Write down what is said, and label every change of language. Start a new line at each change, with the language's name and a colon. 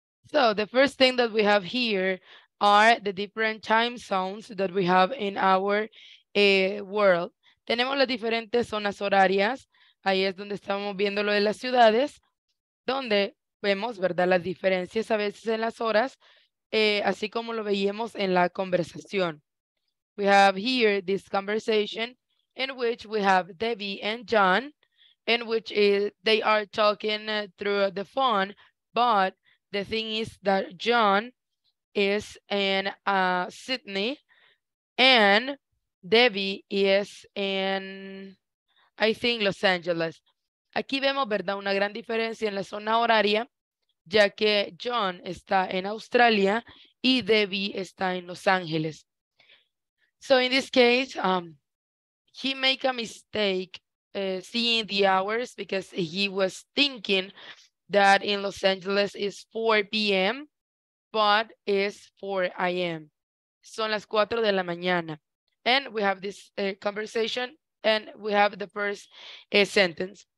English: So the first thing that we have here are the different time zones that we have in our world.
Spanish: Tenemos las diferentes zonas horarias. Ahí es donde estamos viendo lo de las ciudades, donde vemos, ¿verdad?, las diferencias a veces en las horas, así como lo veíamos en la conversación.
English: We have here this conversation in which we have Debbie and John, in which they are talking through the phone, but the thing is that John is in Sydney and Debbie is in, I think, Los Angeles.
Spanish: Aquí vemos, ¿verdad?, una gran diferencia en la zona horaria, ya que John está en Australia y Debbie está en Los Ángeles.
English: So in this case, he make a mistake seeing the hours because he was thinking that in Los Angeles is 4 p.m., but it's 4 a.m.
Spanish: Son las 4 de la mañana.
English: And we have this conversation and we have the first sentence.